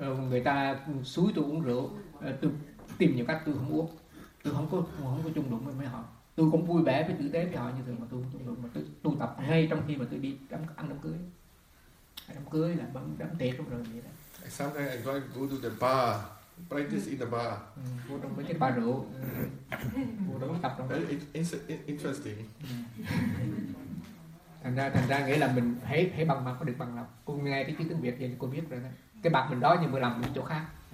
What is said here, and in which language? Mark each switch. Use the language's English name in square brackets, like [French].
[Vietnamese] Người ta suối tôi uống rượu, tôi tìm nhiều cách tôi không uống. Tôi không có chung đụng với mấy họ. Tôi cũng vui vẻ với tử tế với họ như thường mà tôi không đụng. Mà tôi tu tập ngay trong khi mà tôi đi ăn đám cưới. Đám cưới là đám tiệc rồi vậy đó. [English] Sometimes I go to the bar, practice in the bar. [Vietnamese] Vô trong mấy cái bar rượu. Vô trong tập trong. [English] It's interesting. [Vietnamese] Thành ra nghĩa là mình hãy bằng mặt có được bằng lòng. Cô nghe cái tiếng Việt vậy cô biết rồi đó. Cái bạc mình đó nhưng mà làm một chỗ khác.